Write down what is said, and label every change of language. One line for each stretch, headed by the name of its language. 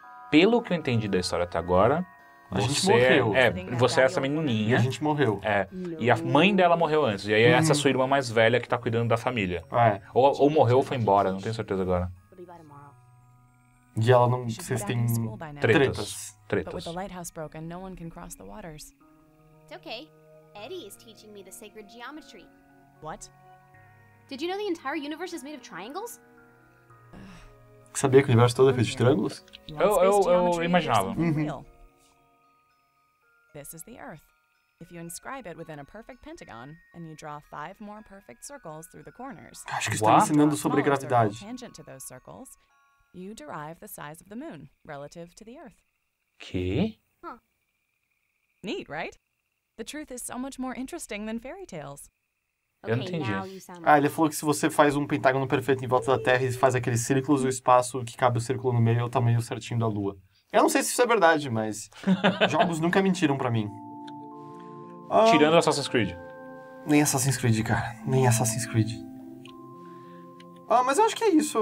Portuguese: Pelo que eu entendi da história até agora... A gente morreu. Você é essa menininha. E a gente morreu. É, e a mãe dela morreu antes. E aí essa é a sua irmã mais velha que tá cuidando da família. Ou morreu ou foi embora, não tenho certeza agora. E ela não... Vocês têm... Tretas.
English: But with the lighthouse broken, no one can cross the waters. It's okay. Eddie is teaching me the sacred geometry. What? Did you know the entire universe is made of triangles?
Portuguese: Sabia que o universo todo é feito de triângulos? Eu imaginava.
English: This is the Earth. If you inscribe it within a perfect pentagon and you draw 5 more perfect circles through the corners.
Portuguese: Acho que estão ensinando sobre gravidade.
English: Tangent to those circles, you derive the size of the moon relative to the Earth.
Portuguese: Que?
English: Neat, right? The truth is so much more interesting than fairy tales.
Portuguese: Eu não entendi. Ah, ele falou que se você faz um pentágono perfeito em volta da Terra e faz aqueles círculos, o espaço que cabe o círculo no meio é o tamanho certinho da Lua. Eu não sei se isso é verdade, mas jogos nunca mentiram pra mim. Tirando Assassin's Creed. Nem Assassin's Creed, cara. Nem Assassin's Creed. Ah, mas eu acho que é isso.